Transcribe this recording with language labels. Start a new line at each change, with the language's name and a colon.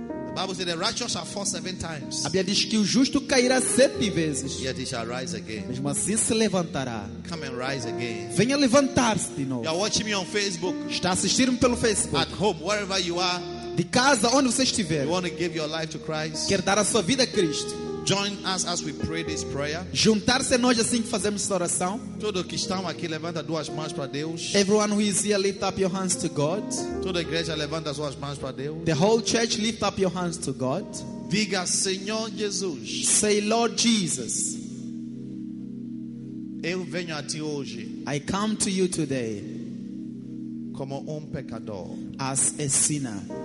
English: The Bible says the righteous shall fall 7 times.
Portuguese: A Bíblia diz que o justo cairá 7 vezes.
English: Yet he shall rise again.
Portuguese: Mesmo assim se levantará.
English: Come and rise again.
Portuguese: Venha levantar-se de novo.
English: You are watching me on Facebook.
Portuguese: Está assistindo-me pelo Facebook.
English: At home, wherever you are.
Portuguese: De casa, onde você estiver.
English: You want to give your life to Christ.
Portuguese: Quer dar a sua vida a Cristo.
English: Join us as we pray this prayer.
Portuguese: Juntar-se a nós assim que fazemos esta oração. Todo que está aqui levanta duas mãos para Deus.
English: Everyone who is here lift up your hands to God.
Portuguese: Toda a igreja levanta suas mãos para Deus.
English: The whole church lift up your hands to God.
Portuguese: Diga Senhor Jesus.
English: Say Lord Jesus.
Portuguese: Eu venho a ti hoje.
English: I come to you today.
Portuguese: Como pecador.
English: As a sinner.